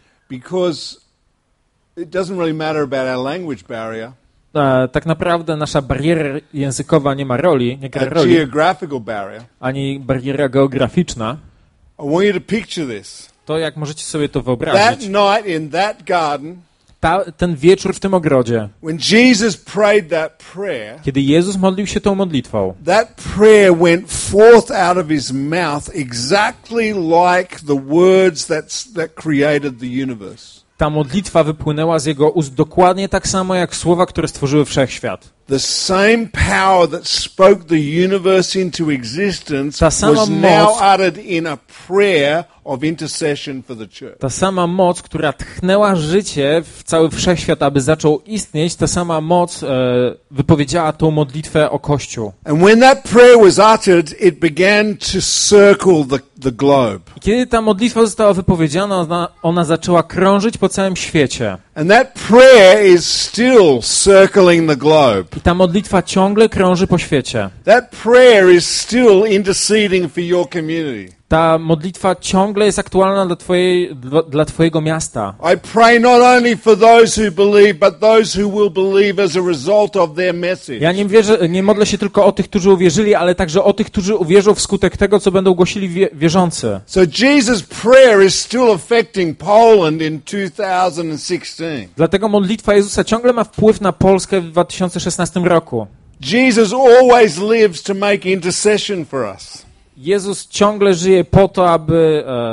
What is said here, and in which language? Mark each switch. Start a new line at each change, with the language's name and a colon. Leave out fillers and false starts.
English: Because it doesn't really matter about our language barrier.
Polish: Tak naprawdę nasza bariera językowa nie ma roli, nie gra roli.
English: Geographical barrier.
Polish: Ani bariera geograficzna.
English: I want you to picture this.
Polish: To jak możecie sobie to wyobrazić.
English: That night in that garden.
Polish: Ten wieczór w tym ogrodzie.
English: When Jesus prayed that prayer.
Polish: Kiedy Jezus modlił się tą modlitwą.
English: That prayer went forth out of his mouth exactly like the words that created the universe.
Polish: ta modlitwa wypłynęła z jego ust dokładnie tak samo jak słowa, które stworzyły wszechświat.
English: The same power that spoke the universe into existence was now uttered in a prayer of intercession for the church.
Polish: Ta sama moc, która tchnęła życie w cały wszechświat, aby zaczął istnieć, ta sama moc wypowiedziała tą modlitwę o Kościół.
English: And when that prayer was uttered, it began to circle the globe.
Polish: Kiedy ta modlitwa została wypowiedziana, ona zaczęła krążyć po całym świecie.
English: And that prayer is still circling the globe.
Polish: I ta modlitwa ciągle krąży po świecie.
English: That prayer is still interceding for your community.
Polish: Ta modlitwa ciągle jest aktualna dla twojej, dla twojego miasta.
English: I pray not only for those who believe, but those who will believe as a result of their message.
Polish: Ja nie modlę się tylko o tych, którzy uwierzyli, ale także o tych, którzy uwierzą wskutek tego, co będą głosili wierzący.
English: So Jesus' prayer is still affecting Poland in 2016.
Polish: Dlatego modlitwa Jezusa ciągle ma wpływ na Polskę w 2016 roku.
English: Jesus always lives to make intercession for us.
Polish: Jezus ciągle żyje po to, aby